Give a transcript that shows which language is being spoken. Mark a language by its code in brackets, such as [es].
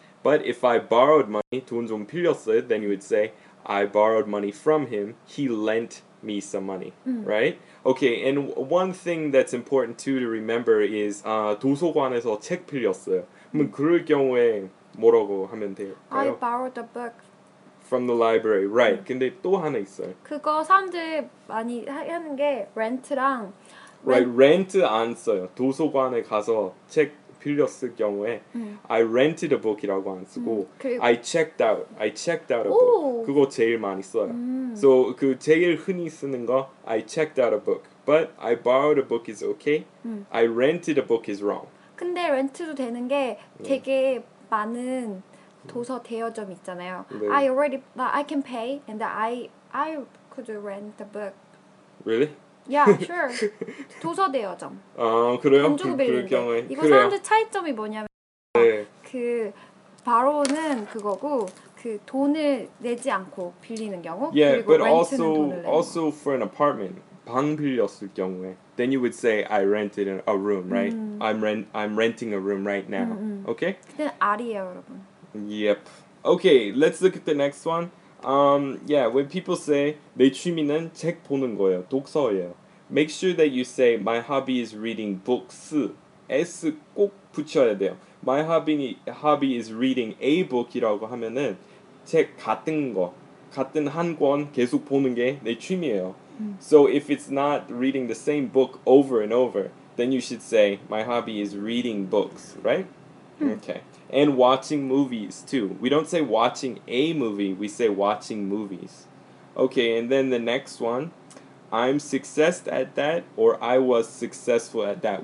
[en] But if I borrowed money, [ko] 돈 좀 빌렸어요, [en] then you would say, I borrowed money from him, he lent me some money, right? Okay, and one thing that's important too to remember is [ko] 도서관에서 책 빌렸어요. 그러면 그럴 경우에 뭐라고 하면 될까요? [en] I borrowed a book. From the library, right. [ko] 근데 또 하나 있어요. 그거 사람들이 많이 하는 게 rent랑 Right, rent 안 써요. 도서관에 가서 책 빌렸을 경우에 I rented a book이라고 안 쓰고 [en] I checked out a book. [ko] 그거 제일 많이 써요. So 그 제일 흔히 쓰는 거 [en] I checked out a book. But I borrowed a book is okay. I rented a book is wrong. [ko] 근데 rent도 되는 게 되게 많은 도서 대여점 있잖아요. 네. [en] I already, like, I can pay, and I could rent the book. Really? Yeah, sure. 도서 대여점. [ko] 아, 그래요? 돈 주고 빌린 경우에. 이거 사람들 차이점이 뭐냐면, 네. 그 바로는 그거고, 그 돈을 내지 않고 빌리는 경우, [en] yeah, [ko] 그리고 [en] but [ko] rent는 [en] also, [ko] 돈을 내는 [en] 거. Also for an apartment, [ko] 방 빌렸을 경우에. [en] Then you would say, I rented a room, right? I'm renting a room right now, okay? [ko] 근데 R이에요, 여러분. [en] Yep. Okay, let's look at the next one. Yeah, when people say [ko] 내 취미는 책 보는 거예요, 독서예요. [en] Make sure that you say my hobby is reading books. [ko] S 꼭 붙여야 돼요. [en] My hobby is reading a book [ko] 이라고 하면은 책 같은 거, 같은 한 권 계속 보는 게 내 취미예요. [en] So if it's not reading the same book over and over, then you should say my hobby is reading books, right? Okay. And watching movies too. We don't say watching a movie, we say watching movies. Okay, and then the next one, I'm successful at that or I was successful at that.